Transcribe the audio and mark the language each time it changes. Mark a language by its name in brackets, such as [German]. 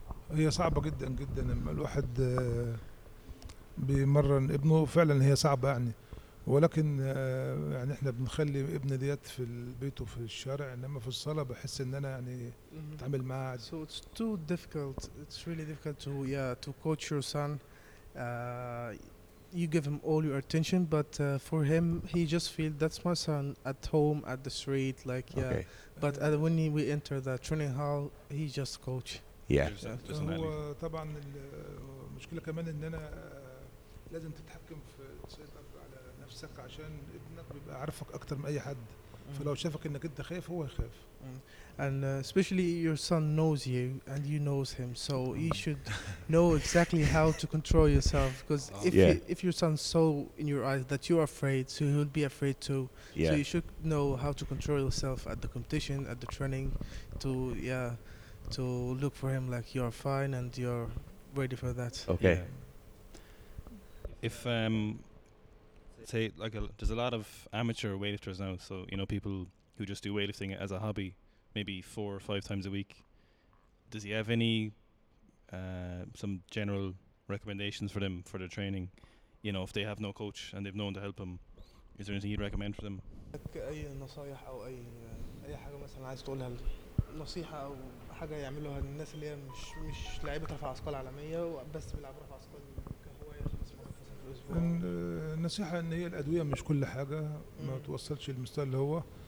[Arabic] هي صعبة جدا جدا لما الواحد بيمرن ابنه فعلا هي صعبة يعني ولكن يعني احنا بنخلي ابن ديت في البيت وفي الشارع انما في الصالة بحس ان انا يعني بتعامل معاه عادي. [English] So it's too difficult, it's really difficult to yeah to coach your son. You give him all your attention but for him he just feels that's my son at home at the street like yeah okay. But when we enter the training hall he's just coach. Yeah. [Arabic] هو طبعا المشكلة كمان ان انا لازم تتحكم في تسيطر على نفسك عشان ابنك بيبقى عارفك اكتر من اي حد فلو شافك انك انت خايف هو يخاف. [English] And especially your son knows you and you knows him so you should know exactly how to control yourself because if yeah. you, if your son saw in your eyes that you are afraid so he would be afraid too yeah. so you should know how to control yourself at the competition at the training to yeah to look for him like you're fine and you're ready for that. Okay. Yeah. If say like there's a lot of amateur weightlifters now so you know people who just do weightlifting as a hobby maybe 4 or 5 times a week. Does he have any some general recommendations for them for their training? You know, if they have no coach and they've no one to help them, is there anything you'd recommend for them? [Arabic] أي نصائح أو أي حاجة مثلاً عايز تقولها نصيحة أو حاجة يعملوها الناس اللي هي مش لعيبة رفع أثقال عالمية وبس بيلعب رفع أثقال كهواية في الأسبوع. النصيحة إن هي الأدوية مش كل حاجة ما توصلش للمستوى اللي هو.